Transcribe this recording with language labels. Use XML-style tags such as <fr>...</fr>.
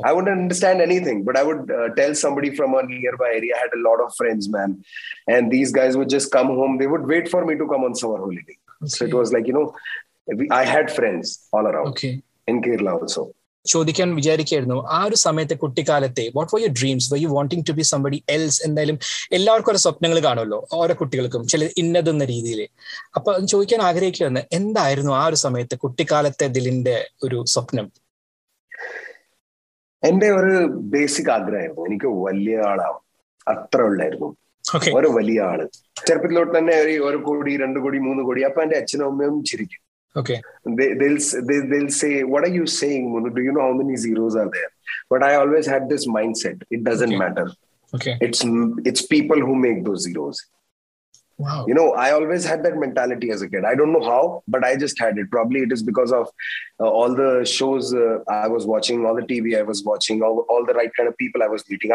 <en>I wouldn't understand anything, but I would tell somebody from a nearby area. I had a lot of friends, man. And these guys would just come home. They would wait for me to come on summer holiday. Okay. So it was like, you know, I had friends all around. Okay. In Kerala also.</en> <ml>ചോദിക്കാൻ വിചാരിക്കായിരുന്നു, ആ ഒരു സമയത്തെ കുട്ടിക്കാലത്തെ</ml> <en>What were your dreams, were you wanting to be somebody else?</en> <ml>എന്തായാലും എല്ലാവർക്കും ഓരോ സ്വപ്നങ്ങൾ കാണുമല്ലോ, ഓരോ കുട്ടികൾക്കും ചില ഇന്നതെന്ന രീതിയിൽ. അപ്പൊ ചോദിക്കാൻ ആഗ്രഹിക്കുന്നത്, എന്തായിരുന്നു ആ ഒരു സമയത്ത് കുട്ടിക്കാലത്തെ ദിലിന്റെ ഒരു സ്വപ്നം? എന്റെ ഒരു ബേസിക് ആഗ്രഹമായിരുന്നു എനിക്ക് വലിയ ആളാവും, അത്ര ഉള്ളായിരുന്നു. ഒരു വലിയ ആള് ചെറുപ്പത്തിലോട്ട് തന്നെ ഒരു കോടി, രണ്ടു കോടി, മൂന്ന് കോടി. അപ്പൊ എന്റെ അച്ഛനും അമ്മയും ചിരിക്കും.</ml> <en>Okay. They'll say, what are you saying, Munu? Do you know how many zeros are there? But I always had this mindset. It doesn't matter. Okay. It's people who make those zeros. Wow. You know, I always had that mentality as a kid. I don't know how, but I just had it. Probably it is because of all the shows I was watching, all the TV I was watching, all the right kind of people I was meeting.</en>